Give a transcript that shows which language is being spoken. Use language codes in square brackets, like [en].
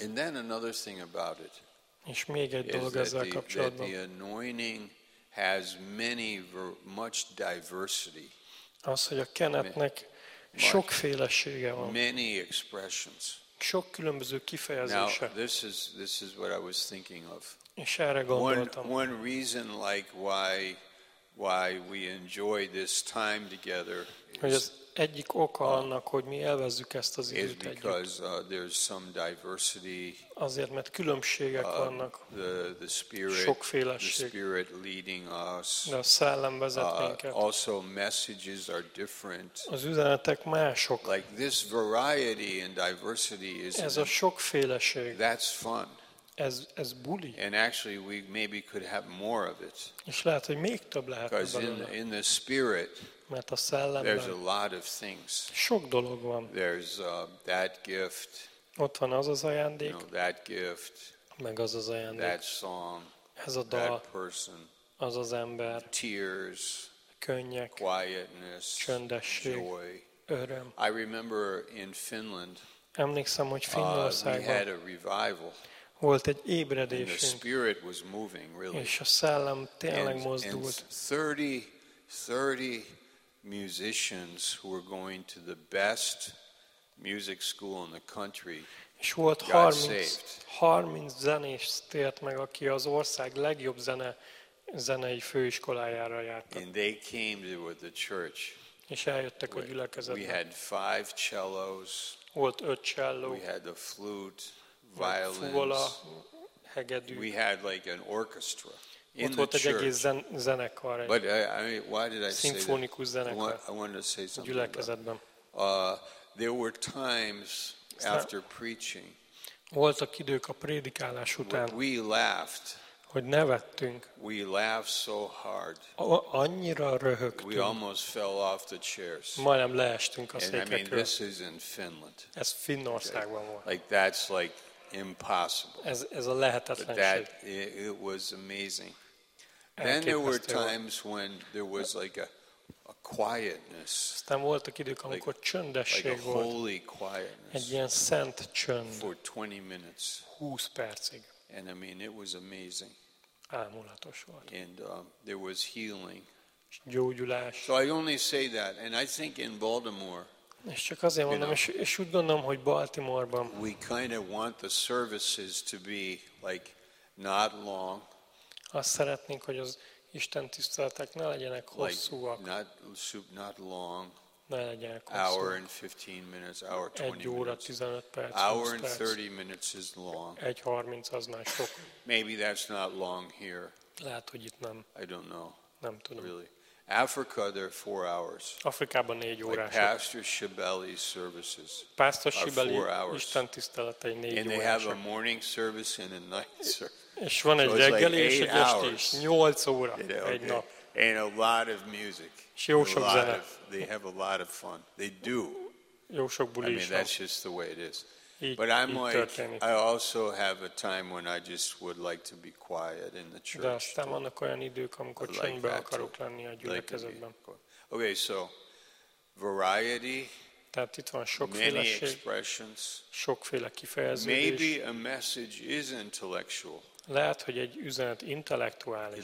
[en] And then another thing about it. [hu] És még egy dolog ezzel kapcsolatban. [en] The anointing has many much diversity. [hu] Az, hogy a kenetnek sokfélesége van. [en] Many expressions. [hu] Sok különböző kifejezése. [en] Now, this is what I was thinking of. [hu] És erre gondoltam. [en] One reason like why we enjoy this time together [hu] is az egyik oka annak, hogy mi élvezzük ezt az időt együtt. [en] Because there's some diversity. [hu] Azért, mert különbségek vannak. [en] The spirit, [hu] sokféleség. [en] The spirit leading us. [hu] De a szellem vezet minket. [en] Also messages are different. [hu] Az üzenetek mások. [en] Like this variety and diversity is. [hu] Ez a sokféleség. [en] That's fun. [hu] Ez buli. [en] And actually we maybe could have more of it. [hu] És lehet, hogy még több lehet belőle. [en] Because in the spirit, [hu] mert a szellemben [en] there's a lot of things. [hu] Sok dolog van. [en] There's that gift. [hu] Ott van az az ajándék. [en] You know, that gift. [hu] Meg az az ajándék. [en] That song. [hu] Ez a dal. [en] That person. [hu] Az az ember. [en] Tears. [hu] Könnyek. [en] Quietness. [hu] Csöndesség. [en] Joy. [hu] Öröm. [en] I remember in Finland. [hu] Emlékszem, hogy Finnországban [en] we had a revival. [hu] Volt egy ébredésünk. [en] And the spirit was moving, really. [hu] És a szellem tényleg mozdult. [en] And 30 musicians who were going to the best music school in the country. [hu] És volt 30 zenész tért meg, aki az ország legjobb zenei főiskolájára járt. [en] And they came to the church. [hu] És eljöttek a gyülekezetbe. [en] We had 5 cellos. [hu] Volt 5 cello. [en] We had a flute, violins. [hu] Fuvola, hegedű. [en] We had like an orchestra. [hu] Ott volt egy egész zenekar. [en] But I mean, why did I say [hu] szimfonikus zenekar. [en] I wanted to say something. [hu] Gyülekezetben. [en] There were times after preaching. [hu] Voltak idők a prédikálás után. [en] We laughed. [hu] Hogy nevettünk. [en] We laughed so hard. [hu] Annyira röhögtünk. [en] We almost fell off the chairs. [hu] Majdnem leestünk a székekről. [en] I mean, this is in Finland. [hu] Ez Finnországban volt. [en] Like that's like impossible. [hu] Ez a lehetetlenség. [en] But that it was amazing. Then there were times when there was like a quietness. [hu] Aztán voltak idők, amikor csöndesség volt. [en] Like a holy quietness. [hu] Egy ilyen szent csönd. [en] For 20 minutes. [hu] 20 percig. [en] And I mean, it was amazing. [hu] Álmulatos volt. [en] And there was healing. [hu] Gyógyulás. [en] So I only say that, and I think in Baltimore. [hu] És csak azért mondom, [en] you know, [hu] és úgy gondolom, hogy Baltimore-ban. [en] We kind of want the services to be like not long. [hu] Azt szeretnénk, hogy az Isten tiszteletek ne legyenek hosszúak. [en] Like not long. [hu] Ne legyenek hosszúak. [en] Hour and 15 minutes, hour 20 minutes. [hu] Egy óra 15 perc. [en] Hour and 30 minutes is long. [hu] Egy 30 az már sok. [en] Maybe that's not long here. [hu] Lehet, hogy itt nem. [en] I don't know. [hu] Nem tudom. [en] Really. Africa, they're 4 hours. [hu] Afrikában 4 órás. [en] Like Pastor Shibeli's services. [hu] Pastor Shibeli Isten tiszteletei 4 órás. [en] And they have a morning service and a night service. [hu] És van egy reggeli és egy esti is. 8 óra egy nap. [en] And a lot of music. [hu] Jó sok zene. [en] They have a lot of fun. They do. [hu] Jó sok buli is. [en] I mean, that's just the way it is. But I'm like, I also have a time when I just would like to be quiet in the church. [hu] De aztán vannak olyan idők, amikor csöndbe akarok lenni a gyülekezetben. [en] Okay, so variety. [hu] Tehát itt van sokféleség. [en] Many expressions. [hu] Sokféle kifejeződés. [en] Maybe a message is intellectual. [hu] Lehet, hogy egy üzenet intellektuális.